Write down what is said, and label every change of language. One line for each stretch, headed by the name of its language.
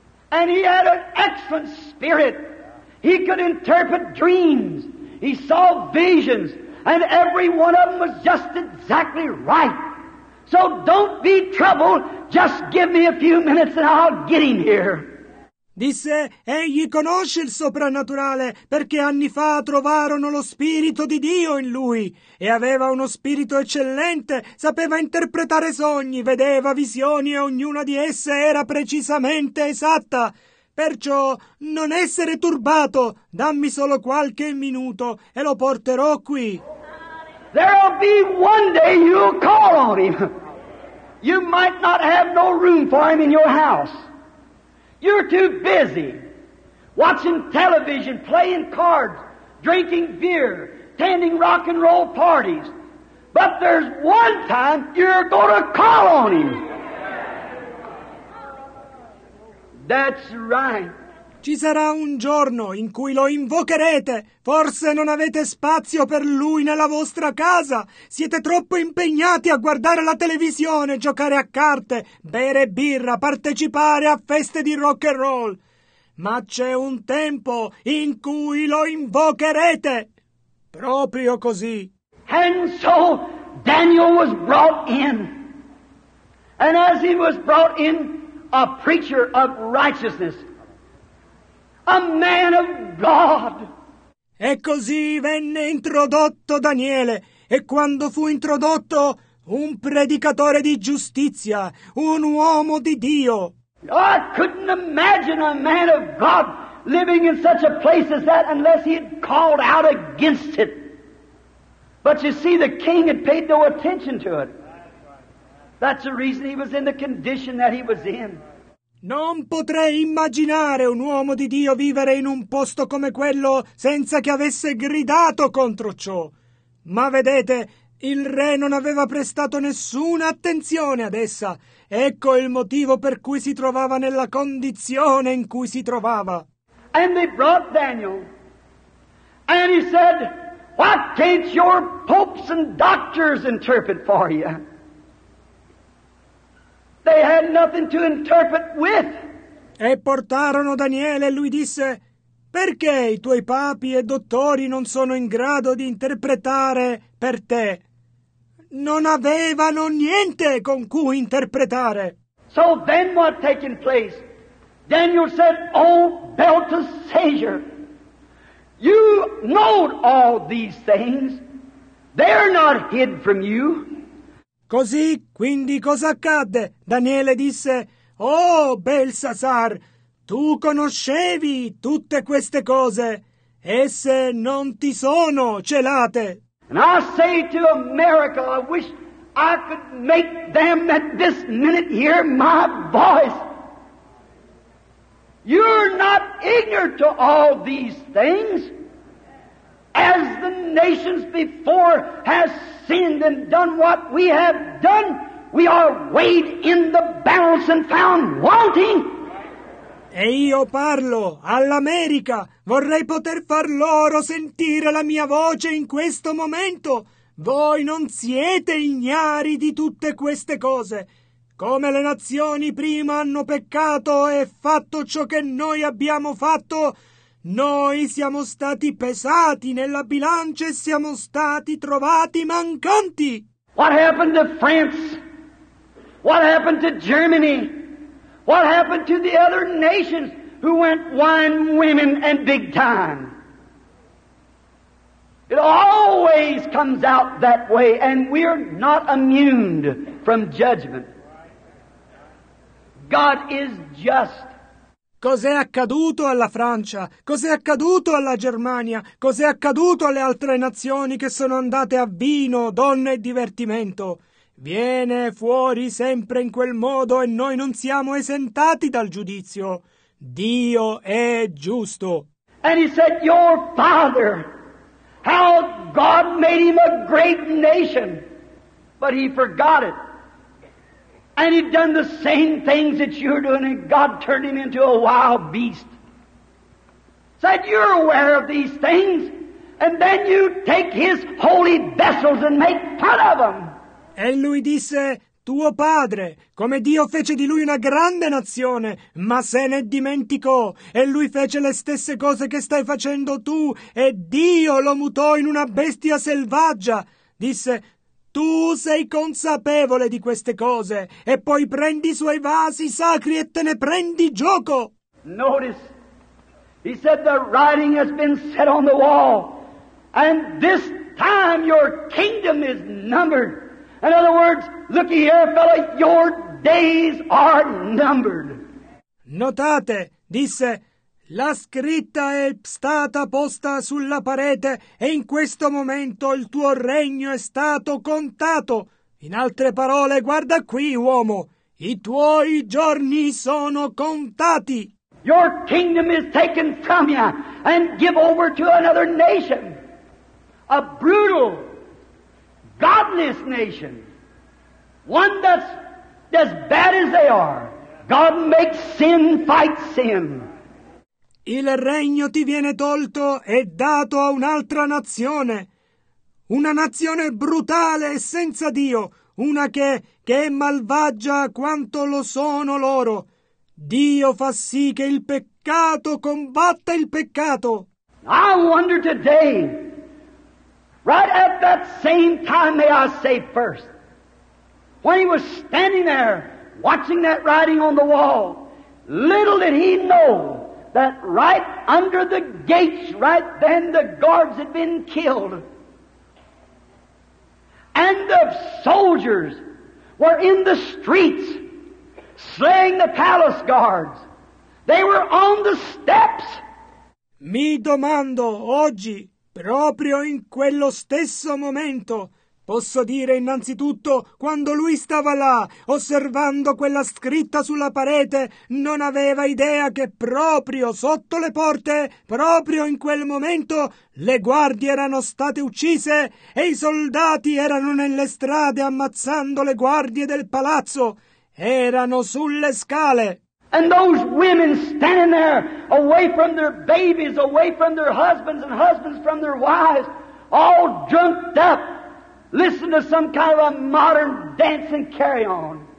English: And he had an excellent spirit. He could interpret dreams. He saw visions. And every one of them was just exactly right. So don't be troubled. Just give me a few minutes and I'll get him here.
Italian: Disse, egli conosce il soprannaturale perché anni fa trovarono lo Spirito di Dio in lui e aveva uno spirito eccellente, sapeva interpretare sogni, vedeva visioni e ognuna di esse era precisamente esatta. Perciò non essere turbato, dammi solo qualche minuto e lo porterò qui.
English: There'll be one day you'll call on him. You might not have no room for him in your house. You're too busy watching television, playing cards, drinking beer, attending rock and roll parties. But there's one time you're going to call on him. That's right.
Italian: Ci sarà un giorno in cui lo invocherete. Forse non avete spazio per lui nella vostra casa. Siete troppo impegnati a guardare la televisione, giocare a carte, bere birra, partecipare a feste di rock and roll. Ma c'è un tempo in cui lo invocherete. Proprio così.
English: And so Daniel was brought in. And as he was brought in, a preacher of righteousness. A man of God.
Italian: E così venne introdotto Daniele, e quando fu introdotto, un predicatore di giustizia, un uomo di Dio.
English: I couldn't imagine a man of God living in such a place as that unless he had called out against it. But you see, the king had paid no attention to it. That's the reason he was in the condition that he was in.
Italian: Non potrei immaginare un uomo di Dio vivere in un posto come quello senza che avesse gridato contro ciò. Ma vedete, il re non aveva prestato nessuna attenzione ad essa. Ecco il motivo per cui si trovava nella condizione in cui si trovava.
English: And they brought Daniel. And he said, "What can't your popes and doctors interpret for you?" They had nothing to interpret with.
Italian: E portarono Daniele e lui disse, perché i tuoi papi e dottori non sono in grado di interpretare per te? Non avevano niente con cui interpretare.
English: So then what taking place? Daniel said, "Oh Belteshazzar, you know all these things. They're not hid from you."
Italian: Così, quindi, cosa accadde? Daniele disse, "Oh, Belsasar, tu conoscevi tutte queste cose. Esse non ti sono celate."
English: And I say to America, I wish I could make them at this minute hear my voice. You're not ignorant to all these things. As the nations before has sinned and done what we have done, we are weighed in the balance and found wanting.
Italian: E io parlo all'America. Vorrei poter far loro sentire la mia voce in questo momento. Voi non siete ignari di tutte queste cose. Come le nazioni prima hanno peccato e fatto ciò che noi abbiamo fatto, noi siamo stati pesati nella bilancia e siamo stati trovati mancanti.
English: What happened to France? What happened to Germany? What happened to the other nations who went wine, women, and big time? It always comes out that way, and we're not immune from judgment. God is just.
Italian: Cos'è accaduto alla Francia? Cos'è accaduto alla Germania? Cos'è accaduto alle altre nazioni che sono andate a vino, donne e divertimento? Viene fuori sempre in quel modo e noi non siamo esentati dal giudizio. Dio è giusto.
English: And he said, your father, how God made him a great nation, but he forgot it. And he'd done the same things that you're doing, and God turned him into a wild beast. Said, you're aware of these things, and then you take his holy vessels and make fun of them.
Italian: E lui disse, tuo padre, come Dio fece di lui una grande nazione, ma se ne dimenticò, e lui fece le stesse cose che stai facendo tu, e Dio lo mutò in una bestia selvaggia. Disse, tu sei consapevole di queste cose, e poi prendi i suoi vasi sacri e te ne prendi gioco.
English: Notice, he said the writing has been set on the wall, and this time your kingdom is numbered. In other words, look here, fella, your days are numbered.
Italian: Notate, disse, la scritta è stata posta sulla parete e in questo momento il tuo regno è stato contato. In altre parole, guarda qui, uomo, i tuoi giorni sono contati.
English: Your kingdom is taken from you and give over to another nation. A brutal, godless nation. One that's as bad as they are. God makes sin fight sin.
Italian: Il regno ti viene tolto e dato a un'altra nazione. Una nazione brutale e senza Dio. Una che è malvagia quanto lo sono loro. Dio fa sì che il peccato combatta il peccato.
English: I wonder today, right at that same time, may I say first, when he was standing there, watching that writing on the wall, little did he know that right under the gates, right then, the guards had been killed. And the soldiers were in the streets, slaying the palace guards. They were on the steps.
Italian: Mi domando oggi, proprio in quello stesso momento, posso dire innanzitutto, quando lui stava là, osservando quella scritta sulla parete, non aveva idea che proprio sotto le porte, proprio in quel momento, le guardie erano state uccise e i soldati erano nelle strade ammazzando le guardie del palazzo. Erano sulle scale.
English: And those women standing there, away from their babies, away from their husbands, and husbands from their wives, all drunked up. Listen to some kind of a modern dance and carry on.